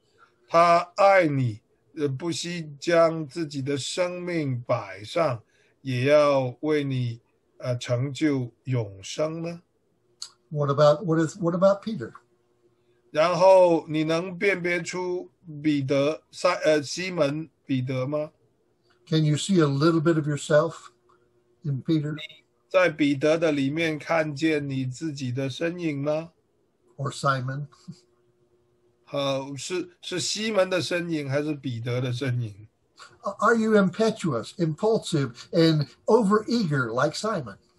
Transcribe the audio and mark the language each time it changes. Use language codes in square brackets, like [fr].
[zh] 这个耶稣他是一个人呢，还是一位神的儿子？他爱你。不惜将自己的生命摆上，也要为你，成就永生呢？ [en] What about Peter? [zh] 然后你能辨别出彼得西门彼得吗？ [en] Can you see a little bit of yourself in Peter? [zh] 你在彼得的里面看见你自己的身影吗？ [en] Or Simon? [zh] 是西门的身影还是彼得的身影？ [en] Are you impetuous, impulsive, and overeager like Simon?